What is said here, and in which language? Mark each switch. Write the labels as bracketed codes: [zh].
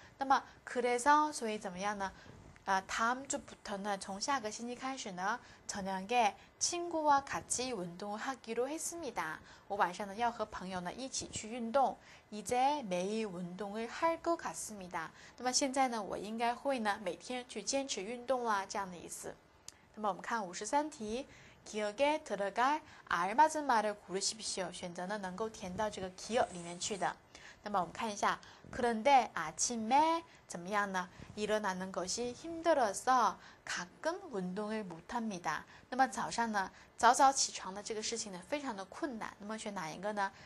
[zh] 那么그래서，所以怎么样呢？ [ko] 다음주부터 [zh] 呢，从下个星期开始呢， [ko] 저녁에친구와같이운동하기로했습니다， [zh] 我晚上呢要和朋友呢一起去运动。 [ko] 이제매일운동을할것같습니다， [zh] 那么现在呢我应该会呢每天去坚持运动啦，这样的意思。那么我们看53题， [ko] 기억에 들어갈 알맞은 말을 고르십시오. [zh] 选择呢能够填到这个 기억 里面去的。那么我们看一下， [ko] 그런데아침에 [zh] 怎么样呢？ [ko] 일어나는것이힘들어서가끔운동을못합니다。 [zh] 那么早上呢，早早起床的这个事情呢，非常的困难。那么选哪一个呢？